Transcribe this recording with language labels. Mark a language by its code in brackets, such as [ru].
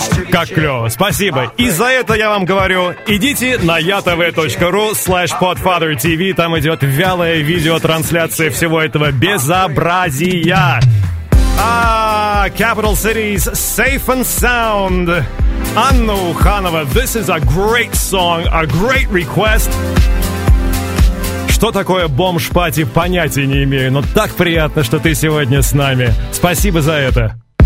[ru] Как клево, спасибо. И за это я вам говорю, идите на yatv.ru/podfathertv. Там идет вялая видеотрансляция всего этого безобразия. [en] Capital Cities, Safe and Sound. Анна Уханова, this is a great song, a great request. [ru] Что такое бомж-пати, понятия не имею, но так приятно, что ты сегодня с нами. Спасибо за это.